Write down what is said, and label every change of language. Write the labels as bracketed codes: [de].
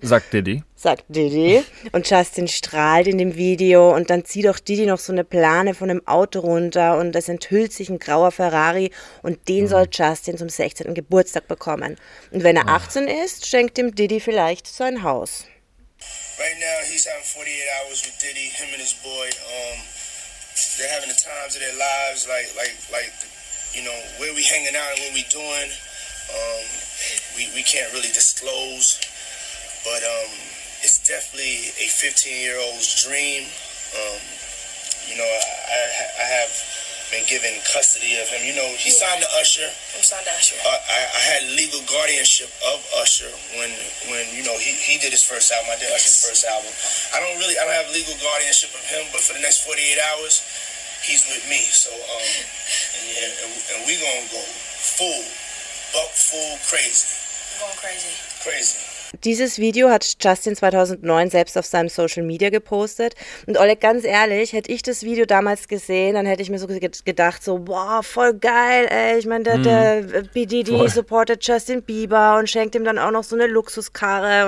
[de] Sagt Diddy. Und Justin strahlt in dem Video und dann zieht auch Diddy noch so eine Plane von einem Auto runter und es enthüllt sich ein grauer Ferrari und den soll Justin zum 16. Geburtstag bekommen. Und wenn er 18 ist, schenkt ihm Diddy vielleicht sein Haus. [en] Right now he's having 48 hours with Diddy, him and his boy. They're having the times of their lives, like, you know, where we hanging out and what we doing. We can't really disclose, but it's definitely a 15-year-old's dream. You know, I have been given custody of him. You know, he signed to Usher. I had legal guardianship of Usher when you know, he did his first album. I did Usher's first album. I don't have legal guardianship of him, but for the next 48 hours, he's with me. So, and we're going to go full, buck full crazy. We're going crazy. [de] Dieses Video hat Justin 2009 selbst auf seinem Social Media gepostet. Und Oleg, ganz ehrlich, hätte ich das Video damals gesehen, dann hätte ich mir so gedacht, so, boah, voll geil, ey. Ich meine, der P. Diddy supportet Justin Bieber und schenkt ihm dann auch noch so eine Luxuskarre.